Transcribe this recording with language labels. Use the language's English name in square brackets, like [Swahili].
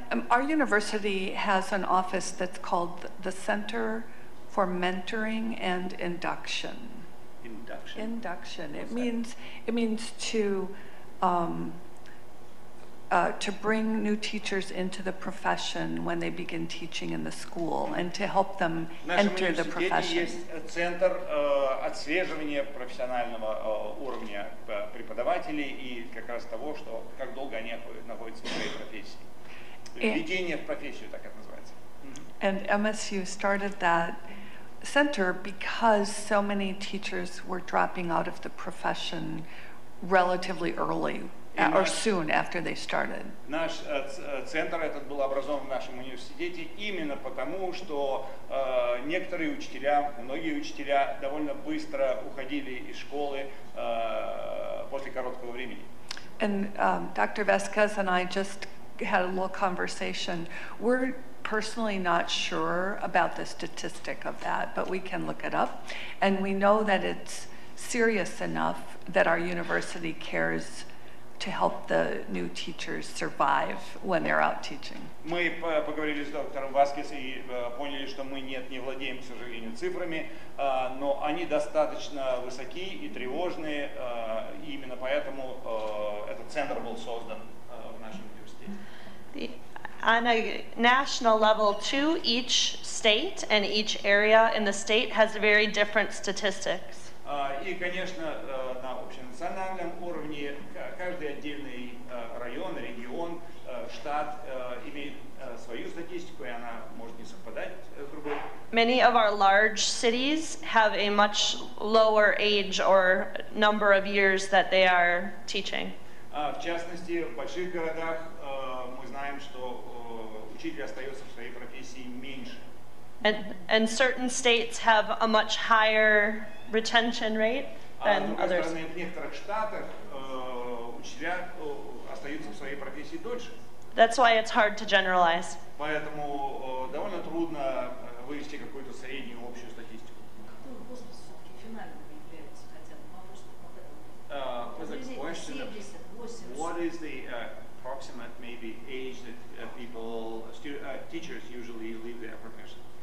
[English] Our university has an office that's called the Center for Mentoring and Induction. Induction. Induction. What's it means to bring new teachers into the profession when they begin teaching in the school and to help them enter the profession. [Russian] В нашем университете есть центр отслеживания профессионального уровня преподавателей и как раз того, что как долго они находятся в своей профессии. Введение в профессию, так это называется. [English] And MSU started that center because so many teachers were dropping out of the profession relatively early. Or soon after they started. [Russian] Наш центр этот был образован в нашем университете именно потому, что некоторые учителя, многие учителя довольно быстро уходили из школы после короткого времени. [English] And Dr. Vasquez and I just had a little conversation. We're personally not sure about the statistic of that, but we can look it up. And we know that it's serious enough that our university cares to help the new teachers survive when they're out teaching. [Russian] Мы поговорили с доктором Васкес и поняли, что мы не владеем, к сожалению, цифрами, но они достаточно высоки и тревожные, и именно поэтому этот центр был создан в нашем университете. [English] On a national level too, each state and each area in the state has very different statistics. [Russian] И, конечно, на общенациональном уровне каждый отдельный район, регион, штат имеет свою статистику, и она может не совпадать с другой. [English] Many of our large cities have a much lower age or number of years that they are teaching. [Russian] В частности, в больших городах мы знаем, что учитель остается в своей профессии меньше. [English] And certain states have a much higher retention rate than others. [Russian] В некоторых штатах учителя остаются в своей профессии дольше. [English] That's why it's hard to generalize. [Russian] Поэтому довольно трудно вывести какую-то среднюю общую статистику. Какой возраст все-таки финальным является, хотя бы вопрос, по этому. [English] What is the approximate maybe age that people teachers usually leave their profession?